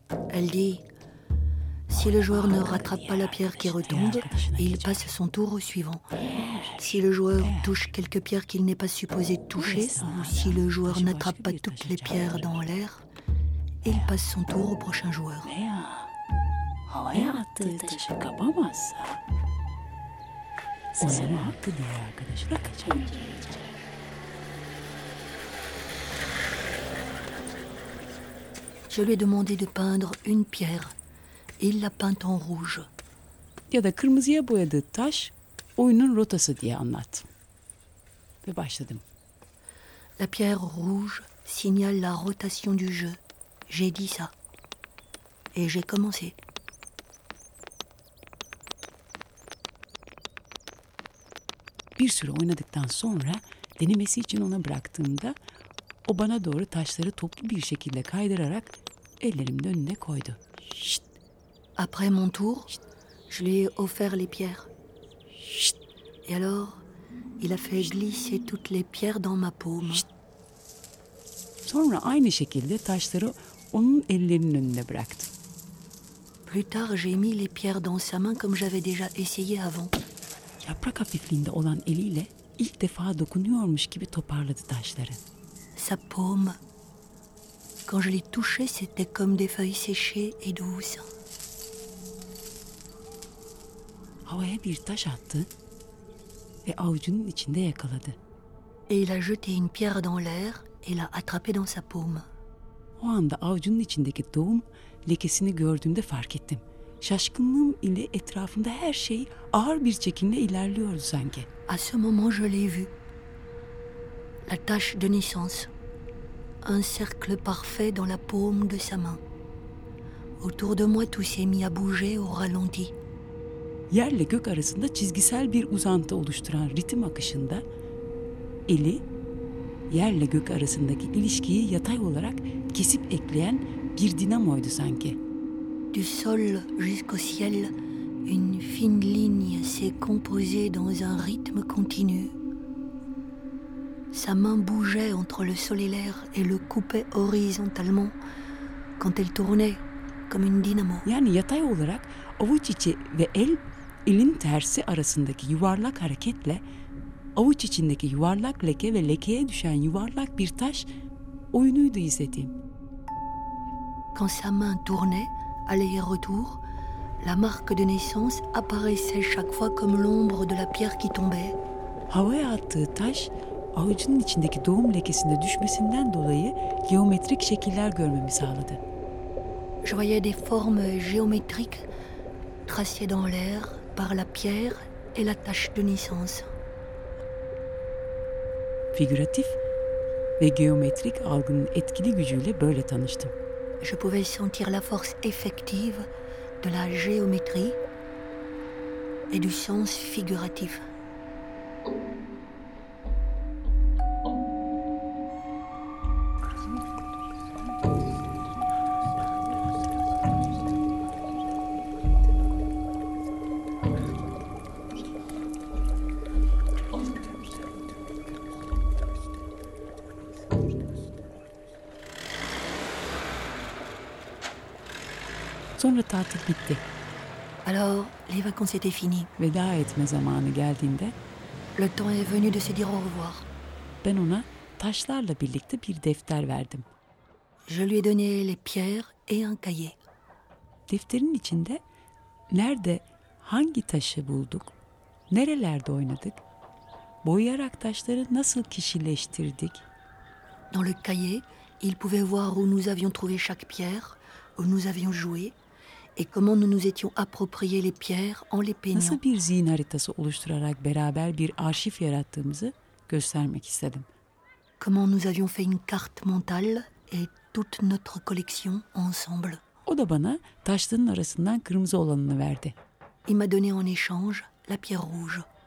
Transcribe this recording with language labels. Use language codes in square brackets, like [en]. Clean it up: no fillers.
[fr] Elle dit, si le joueur ne rattrape pas la pierre qui retombe, il passe son tour au suivant. Si le joueur touche quelques pierres qu'il n'est pas supposé toucher, ou si le joueur n'attrape pas toutes les pierres dans l'air, il passe son tour au prochain joueur. [tr] Havaya attığı taşı kapamazsa onun hakkı diğer arkadaşına kaçamayacak. [fr] Je lui ai demandé de peindre une pierre. Il l'a peinte en rouge. [tr] Ya da kırmızıya boyadığı taş oyunun rotası diye anlat. Ve başladım. [fr] La pierre rouge signale la rotation du jeu. J'ai dit ça. Et j'ai commencé. [tr] Bir süre oynadıktan sonra denemesi için ona bıraktığımda o bana doğru taşları toplu bir şekilde kaydırarak ellerimin önüne koydu. [fr] Şşt. Après mon tour, Şşt. Je lui ai offert les pierres. Şşt. Et alors, il a fait Şşt. Glisser toutes les pierres dans ma paume. Şşt. [tr] Sonra aynı şekilde taşları onun ellerinin önüne bıraktım. [fr] Plus tard, j'ai mis les pierres dans sa main comme j'avais déjà essayé avant. [tr] Yaprak hafifliğinde olan eliyle ilk defa dokunuyormuş gibi toparladı taşları. [fr] Sa paume. Quand je l'ai touché, c'était comme des feuilles séchées et douces. [tr] Havaya bir taş attı ve avucunun içinde yakaladı. [fr] Et il a jeté une pierre dans l'air et l'a attrapée dans sa paume. [tr] O anda avucunun içindeki doğum lekesini gördüğümde fark ettim. Şaşkınlığım ile etrafımda her şey ağır bir çekimle ilerliyordu sanki. [fr] À ce moment je l'ai vu. La tache de naissance. Un cercle parfait dans la paume de sa main. Autour de moi tout s'est mis à bouger au ralenti. [tr] yerle gök arasında çizgisel bir uzantı oluşturan ritim akışında eli yerle gök arasındaki ilişkiyi yatay olarak kesip ekleyen bir dinamoydu sanki. [fr] Du sol jusqu'au ciel, une fine ligne s'est composée dans un rythme continu. Sa main bougeait entre le sol et l'air et le coupait horizontalement quand elle tournait comme une dynamo. [tr] Yani yatay olarak avuç içi ve elin tersi arasındaki yuvarlak hareketle avuç içindeki yuvarlak leke ve lekeye düşen yuvarlak bir taş oyunuydu izlediğim. [fr] Quand sa main tournait, aller et retour, la marque de naissance apparaissait chaque fois comme l'ombre de la pierre qui tombait. [tr] Havaya attığı taş avucunun içindeki doğum lekesinde düşmesinden dolayı geometrik şekiller görmemi sağladı. [fr] Je voyais des formes géométriques tracées dans l'air par la pierre et la tache de naissance. [tr] Figüratif ve geometrik algının etkili gücüyle böyle tanıştım. [fr] Je pouvais sentir la force effective de la géométrie et du sens figuratif. [tr] Sonra tatil bitti. [fr] Alors, les vacances étaient finies. [tr] Veda etme zamanı geldiğinde, [fr] le temps est venu de se dire au revoir. [tr] Ben ona taşlarla birlikte bir defter verdim. [fr] Je lui ai donné les pierres et un cahier. [tr] Defterin içinde nerede hangi taşı bulduk, nerelerde oynadık, boyayarak taşları nasıl kişileştirdik. [fr] Dans le cahier, il pouvait voir où nous avions trouvé chaque pierre, où nous avions joué. Et comment nous nous étions approprié les pierres en les peignant. [tr] Nasıl bir zihin haritası oluşturarak beraber bir arşiv yarattığımızı göstermek istedim. [fr] Comment nous avions fait une carte mentale et toute notre collection ensemble. [tr] O da bana taşların arasından kırmızı olanını verdi. [fr] Il m'a donné en échange la pierre rouge.